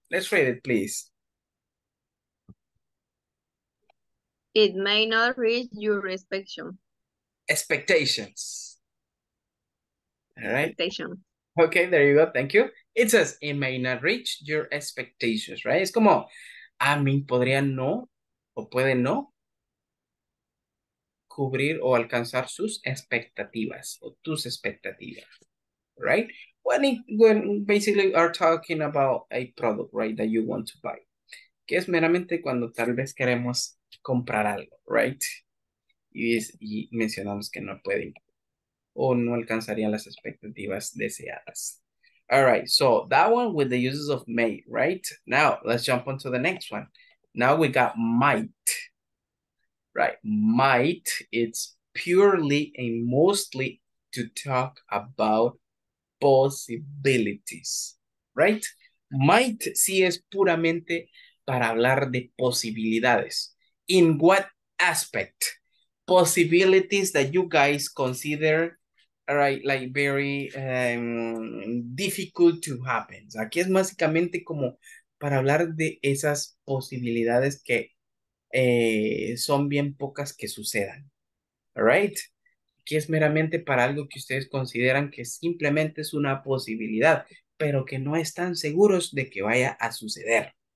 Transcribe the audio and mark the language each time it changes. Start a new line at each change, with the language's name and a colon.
English: Let's read it, please. It may not reach your expectation. Expectations. All right. Expectation. Okay, there you go. Thank you. It says, it may not reach your expectations, right?
Spanish: Es como, a mí podría no, o puede no, cubrir o alcanzar sus expectativas, o tus expectativas, right?
English: When basically are talking about a product, right, that you want to buy.
Spanish: Que es meramente cuando tal vez queremos comprar algo, right? Y mencionamos que no puede o no alcanzaría las expectativas deseadas.
English: All right, so that one with the uses of may, right? Now, let's jump on to the next one. Now we got might, right? Might, it's purely and mostly to talk about possibilities, right?
Spanish: Might sí es puramente para hablar de posibilidades.
English: In what aspect? Possibilities that you guys consider, all right, like very difficult to happen.
Spanish: Aquí es básicamente como para hablar de esas posibilidades que son bien pocas que sucedan.
English: All right?
Spanish: Aquí es meramente para algo que ustedes consideran que simplemente es una posibilidad, pero que no están seguros de que vaya a suceder.